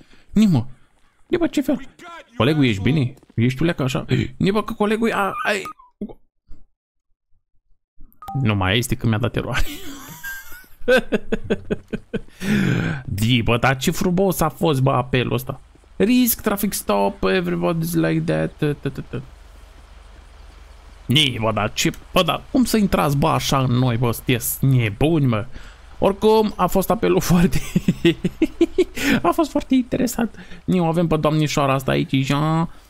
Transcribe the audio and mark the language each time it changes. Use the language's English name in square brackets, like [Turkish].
[Romanian] Nimă! Nibă, ce fel? Colegul, ești bine? Ești tu leacă așa? Nibă, că colegul e... Nu mai este că mi-a dat eroare. Nibă, dar ce frumos a fost, bă, apelul ăsta. [English] Risk, traffic stop, everybody's like that. [Romanian] Nibă, dar ce... Bă, dar cum să intrați, bă, așa în noi, bă, sunteți nebuni, mă? Oricum, a fost apelul foarte... A fost foarte interesant. Nu avem pe doamnișoara asta aici, ja.